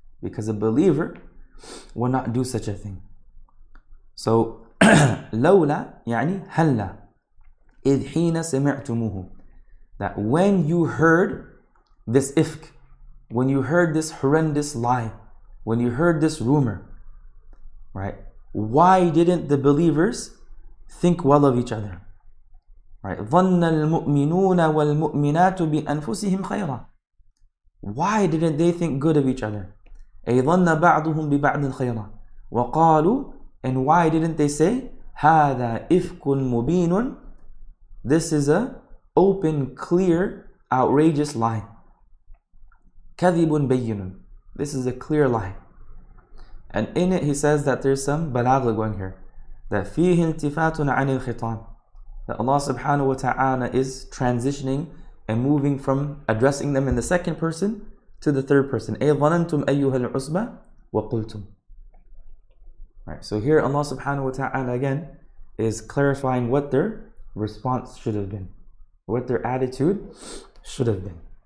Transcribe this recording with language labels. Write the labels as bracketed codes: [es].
[en] Because a believer will not do such a thing. So, [ar] لولا يعني هلا إذ حين سمعتموه, [en] that when you heard this ifk, when you heard this horrendous lie, when you heard this rumor, right? Why didn't the believers think well of each other? Right? [ar] ظن المؤمنون والمؤمنات بأنفسهم خيرا. [en] Why didn't they think good of each other? [ar] أيظن بعضهم ببعض خيرا. وقالوا, [en] and why didn't they say, [ar] هذا إفك مبين, [en] this is a open, clear, outrageous lie. [ar] كذب بين, [en] this is a clear lie. And in it he says that there's some بلاغة going here, that [ar] فيه التفات عن الخطاب, [en] that Allah subhanahu wa ta'ala is transitioning and moving from addressing them in the second person to the third person. [ar] أي ظننتم أيها العصبة وقلتم. [en] Right, so here Allah subhanahu wa ta'ala again is clarifying what their response should have been, what their attitude should have been.